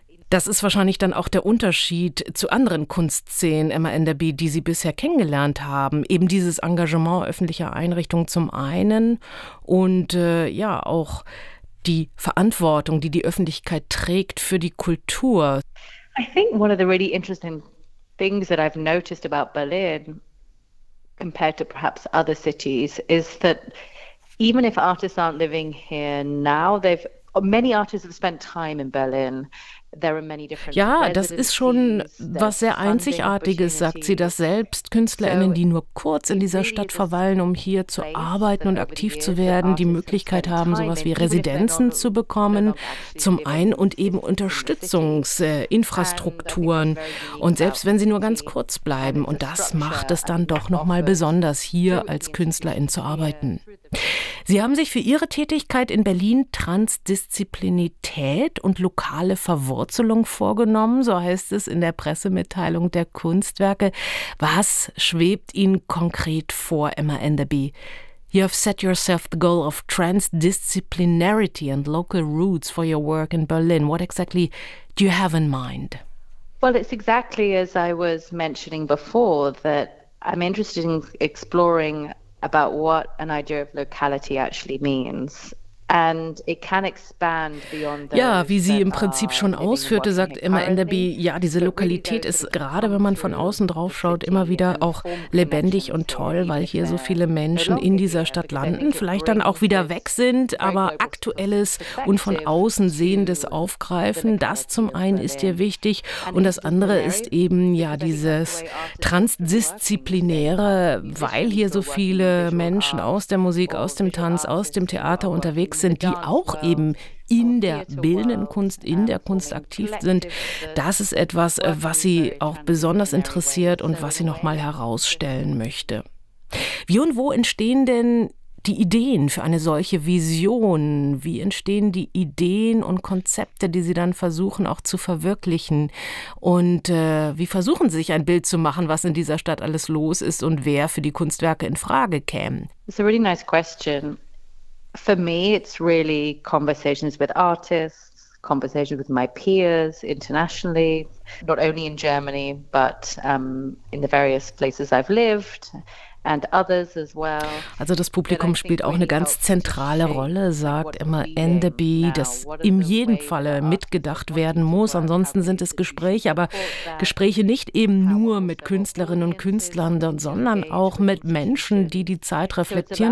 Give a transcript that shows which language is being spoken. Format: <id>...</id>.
<de>Das ist wahrscheinlich dann auch der Unterschied zu anderen Kunstszenen, Emma Enderby, die Sie bisher kennengelernt haben. Eben dieses Engagement öffentlicher Einrichtungen zum einen und ja auch die Verantwortung, die die Öffentlichkeit trägt für die Kultur.</de> <en>I think one of the really interesting things that I've noticed about Berlin compared to perhaps other cities is that even if artists aren't living here now, many artists have spent time in Berlin.</en> <de>Ja, das ist schon was sehr Einzigartiges, sagt sie, dass selbst KünstlerInnen, die nur kurz in dieser Stadt verweilen, um hier zu arbeiten und aktiv zu werden, die Möglichkeit haben, sowas wie Residenzen zu bekommen, zum einen, und eben Unterstützungsinfrastrukturen. Und selbst wenn sie nur ganz kurz bleiben, und das macht es dann doch nochmal besonders, hier als KünstlerIn zu arbeiten. Sie haben sich für Ihre Tätigkeit in Berlin Transdisziplinität und lokale Verwurzelung vorgenommen, so heißt es in der Pressemitteilung der Kunstwerke. Was schwebt Ihnen konkret vor, Emma Enderby?</de> <en>You have set yourself the goal of transdisciplinarity and local roots for your work in Berlin. What exactly do you have in mind? Well, it's exactly as I was mentioning before, that I'm interested in exploring about what an idea of locality actually means. And it can expand beyond</en> <de>the. Ja, wie sie im Prinzip schon ausführte, sagt Emma Enderby, ja, diese Lokalität ist gerade, wenn man von außen drauf schaut, immer wieder auch lebendig und toll, weil hier so viele Menschen in dieser Stadt landen, vielleicht dann auch wieder weg sind, aber aktuelles und von außen sehendes Aufgreifen, das zum einen ist ihr wichtig und das andere ist eben ja dieses Transdisziplinäre, weil hier so viele Menschen aus der Musik, aus dem Tanz, aus dem Theater unterwegs sind, die auch eben in der bildenden Kunst, in der Kunst aktiv sind. Das ist etwas, was sie auch besonders interessiert und was sie nochmal herausstellen möchte. Wie und wo entstehen denn die Ideen für eine solche Vision? Wie entstehen die Ideen und Konzepte, die Sie dann versuchen auch zu verwirklichen? Und wie versuchen Sie sich ein Bild zu machen, was in dieser Stadt alles los ist und wer für die Kunstwerke in Frage käme?</de> <en>It's a really nice question. For me, it's really conversations with artists, conversations with my peers internationally, not only in Germany, but in the various places I've lived. And others as well.</en> <de>Also das Publikum spielt auch eine ganz zentrale Rolle, sagt Emma Enderby, dass in jedem Falle mitgedacht werden muss. Ansonsten sind es Gespräche, aber Gespräche nicht eben nur mit Künstlerinnen und Künstlern, sondern auch mit Menschen, die die Zeit reflektieren.</de>